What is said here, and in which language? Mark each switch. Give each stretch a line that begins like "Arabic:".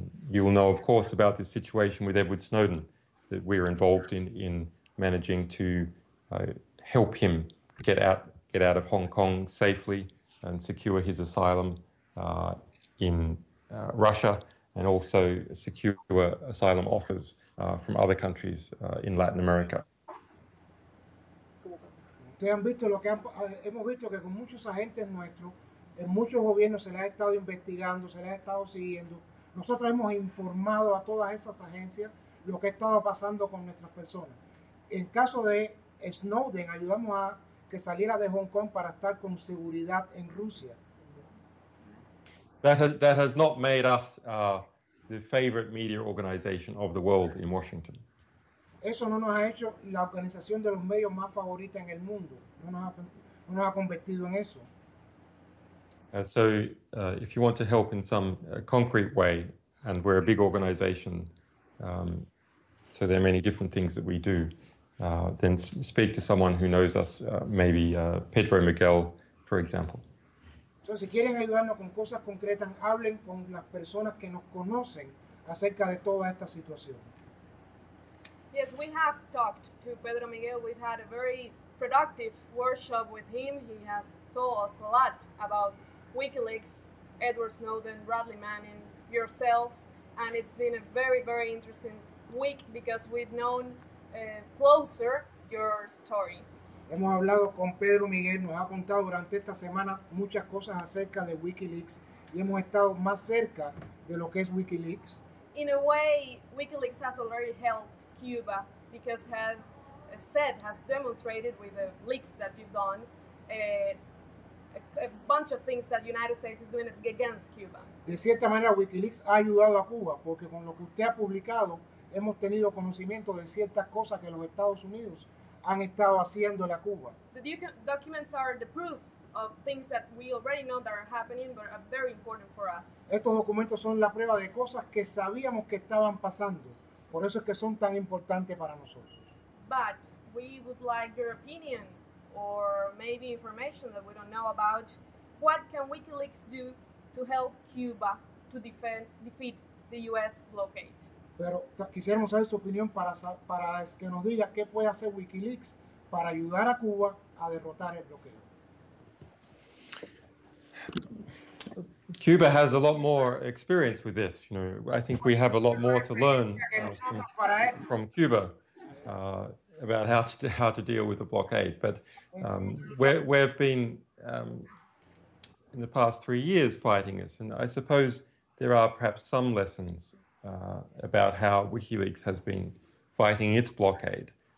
English: You will know, of course, about this situation with Edward Snowden that we're involved in managing to help him get out of Hong Kong safely and secure his asylum in Russia, and also secure asylum offers from other countries in Latin America.
Spanish: Ustedes han visto lo que hemos visto, que con muchos agentes nuestros, en muchos gobiernos se les ha estado investigando, se les ha estado siguiendo. Nosotros hemos informado a todas esas agencias lo que ha estado pasando con nuestras personas. En caso de Snowden, ayudamos a que saliera de Hong Kong para estar con seguridad en Rusia.
English: That has not made us the favorite media organization of the world in Washington.
Spanish: Eso no nos ha hecho la organización de los medios más favorita en el mundo. No nos ha convertido en eso.
English: So if you want to help in some concrete way, and we're a big organization, so there are many different things that we do, then speak to someone who knows us, maybe Pedro Miguel, for example.
Spanish: So si quieren ayudarnos con cosas concretas, hablen con las personas que nos conocen acerca de toda esta situación.
English: Yes, we have talked to Pedro Miguel. We've had a very productive workshop with him. He has told us a lot about WikiLeaks, Edward Snowden, Bradley Manning, yourself, and it's been a very, very interesting week because we've known closer your story.
Spanish: Hemos hablado con Pedro Miguel, nos ha contado durante esta semana muchas cosas acerca de WikiLeaks y hemos estado más cerca de lo que es WikiLeaks.
English: In a way, WikiLeaks has already helped Cuba because has demonstrated with the leaks that you've done a bunch of things that the United States is doing against Cuba.
Spanish: De cierta manera, WikiLeaks ha ayudado a Cuba porque con lo que usted ha publicado hemos tenido conocimiento de ciertas cosas que los Estados Unidos han estado haciendo en Cuba.
English: The documents are the proof of things that we already know that are happening, but are very important for us.
Spanish: Estos documentos son la prueba de cosas que sabíamos que estaban pasando. Por eso es que son tan importantes para nosotros.
English: But we would like your opinion or maybe information that we don't know about. What can WikiLeaks do to help Cuba to defeat the U.S. blockade?
Spanish: Pero quisiéramos saber su opinión para que nos diga qué puede hacer WikiLeaks para ayudar a Cuba a derrotar el bloqueo.
English: Cuba has a lot more experience with this. You know, I think we have a lot more to learn from Cuba about how to deal with the blockade. But we've been in the past 3 years fighting this, and I suppose there are perhaps some lessons about how WikiLeaks has been fighting its blockade.